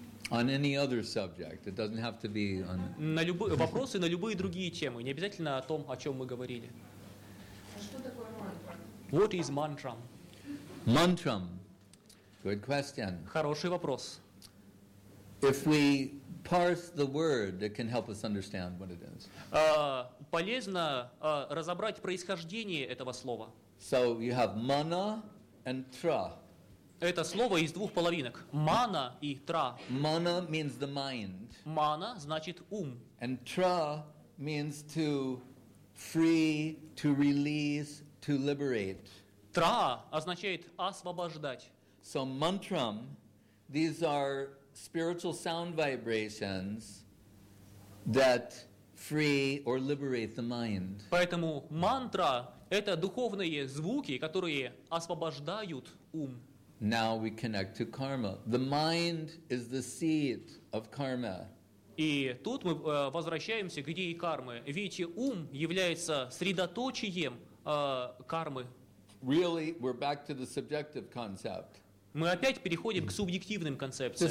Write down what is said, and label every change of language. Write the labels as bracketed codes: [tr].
[en] On any other subject, it doesn't have to be on. [ru] На любые вопросы на любые другие темы, не обязательно о том, о чем мы говорили. [en] What is mantra? Mantra. Good question. [ru] Хороший вопрос. [en] If we parse the word, it can help us understand what it is. [ru] Полезно разобрать происхождение этого слова. [en] So you have mana and tra. [ru] Это слово из двух половинок. Мана и тра. [en] Mana means the mind. [ru] Мана значит ум. [en] And tra means to free, to release, to liberate. [ru] Tra означает освобождать. [en] So mantram, these are spiritual sound vibrations that free or liberate the mind. [ru] Поэтому мантра — это духовные звуки, которые освобождают ум. [en] Now we connect to karma. The mind is the seat of karma. [ru] И тут мы возвращаемся к идее кармы. Ведь ум является средоточием кармы. [en] Really, we're back to the subjective concept. [ru] Мы опять переходим к субъективным концепциям.